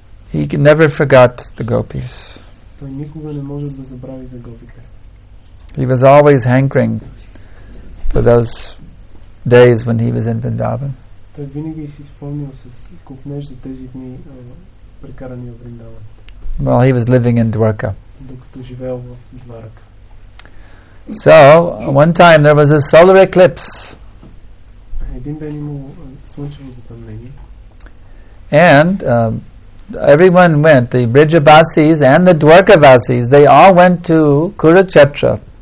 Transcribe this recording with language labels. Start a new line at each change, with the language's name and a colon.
English: he never forgot the gopis.
Bulgarian: Той никога не може да забрави за гопите.
English: He was always hankering for those days when he was in Vrindavan.
Bulgarian: Той винаги си спомнил с купнеж за тези дни прекарани в Вриндаван.
English: While he was living in Dwarka.
Bulgarian: Докато живеел в Дварка.
English: So, one time there was a solar eclipse.
Bulgarian: Един ден имало слънчево затъмнение.
English: And everyone went, the Brijavasis and the Dwarkavasis, they all went to Kurukshetra.